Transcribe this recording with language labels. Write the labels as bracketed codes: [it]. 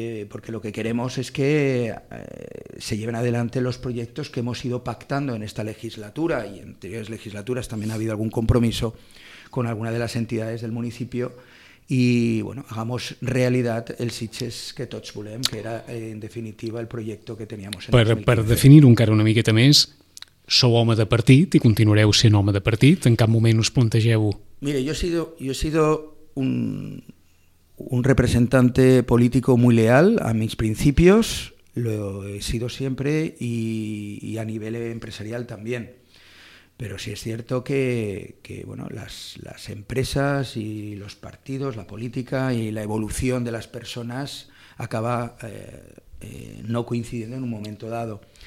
[es] Porque lo que queremos es que se lleven adelante los proyectos que hemos ido pactando en esta legislatura y en anteriores legislaturas también ha habido algún compromiso con alguna de las entidades del municipio y bueno, hagamos realidad el Sitges que [ca] tots volem, [es] que era en definitiva el proyecto que teníamos en el 2015. [ca] Per definir encara una miqueta més, sou home de partit i continuareu sent home de partit, en cap moment us plantegeu... [es] Mire, yo he sido un representante político muy leal a mis principios, lo he sido siempre y a nivel empresarial también. Pero sí es cierto que las empresas y los partidos, la política y la evolución de las personas acaba no coincidiendo en un momento dado.